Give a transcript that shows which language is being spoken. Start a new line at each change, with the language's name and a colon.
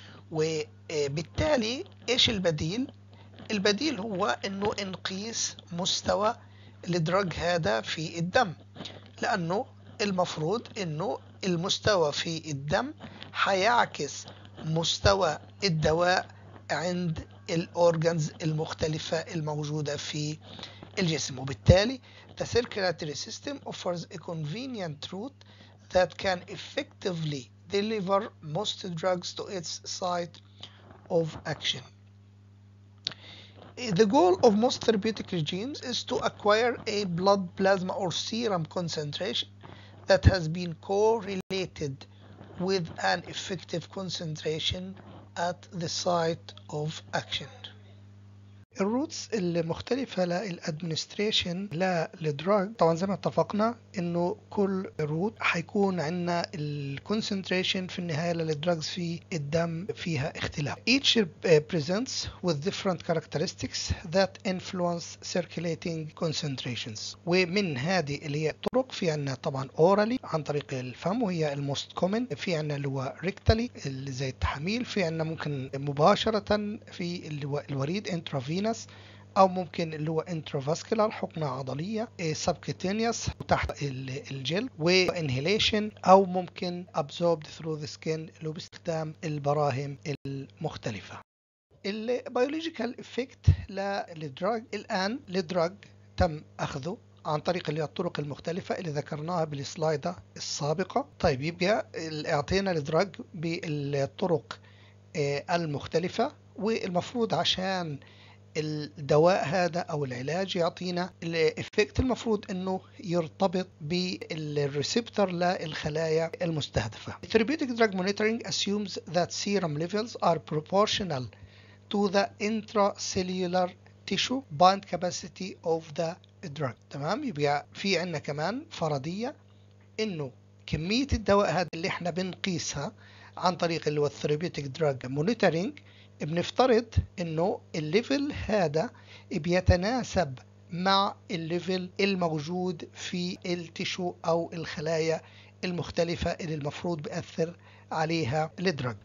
Arabic: وبالتالي إيش البديل؟ البديل هو إنه نقيس مستوى الدرج هذا في الدم، لأنه المفروض إنه المستوى في الدم حيعكس مستوى الدواء عند الأورجانز المختلفة الموجودة في الجسم. وبالتالي
English: the circulatory system offers a convenient route that can effectively deliver most drugs to its site of action. The goal of most therapeutic regimes is to acquire a blood plasma or serum concentration that has been correlated with an effective concentration at the site of action.
Arabic: الروتس المختلفة للأدمنستريشن للدراج، طبعا زي ما اتفقنا انه كل روت حيكون عندنا الكونسنتريشن في النهاية للدراجز في الدم فيها اختلاف.
English: Each presents with different characteristics that influence circulating concentrations.
Arabic: ومن هذه اللي هي الطرق، في عندنا طبعا أورالي عن طريق الفم وهي الموست كومن، في عندنا اللي هو ريكتالي اللي زي التحاميل، في عندنا ممكن مباشرة في اللي هو الوريد انترافين، او ممكن اللي هو انتروفاسكولار حقنه عضليه، سبكتينيوس تحت الجلد، وانهيليشن او ممكن ابزوربد ثرو ذا سكن اللي باستخدام البراهم المختلفه. البيولوجيكال افكت للدراج، الان للدراج تم اخذه عن طريق اللي هي الطرق المختلفة اللي ذكرناها بالسلايدة السابقة. طيب يبقى اعطينا الدراج بالطرق المختلفة، والمفروض عشان الدواء هذا او العلاج يعطينا الافكت المفروض انه يرتبط بالريسبتور للخلايا المستهدفه.
English: Therapeutic drug monitoring assumes that serum levels are proportional to the intracellular tissue bind capacity of the drug.
Arabic: تمام، يبقى في عندنا كمان فرضيه انه كميه الدواء هذا اللي احنا بنقيسها عن طريق اللي هو Therapeutic drug monitoring، بنفترض انه الليفل هذا بيتناسب مع الليفل الموجود في التشو او الخلايا المختلفة اللي المفروض بيأثر عليها الدرج.